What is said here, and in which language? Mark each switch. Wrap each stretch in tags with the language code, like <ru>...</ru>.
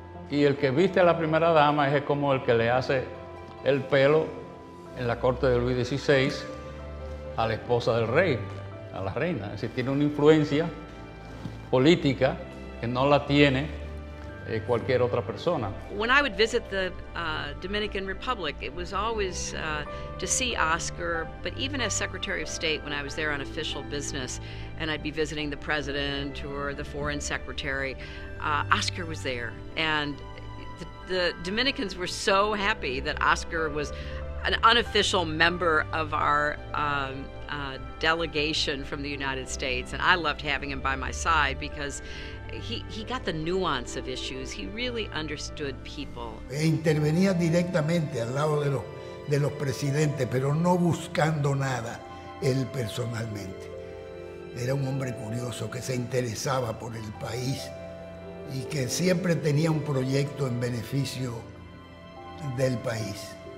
<es>Y el que viste a la primera dama es como el que le hace el pelo en la corte de Luis XVI a la esposa del rey, a la reina. Es decir, tiene una influencia política que no la tiene cualquier otra persona.</es> <en>When I would visit the Dominican Republic, it was always to see Oscar, but even as Secretary of State, when I was there on official business and I'd be visiting the President or the Foreign Secretary, Oscar was there. And the Dominicans were so happy that Oscar was an unofficial member of our delegation from the United States. And I loved having him by my side because he got the nuance of issues. He really understood people.</en> <es>Intervenía directamente al lado de los presidentes, pero no buscando nada él personalmente. Era un hombre curioso que se interesaba por el país y que siempre tenía un proyecto en beneficio del país.</es>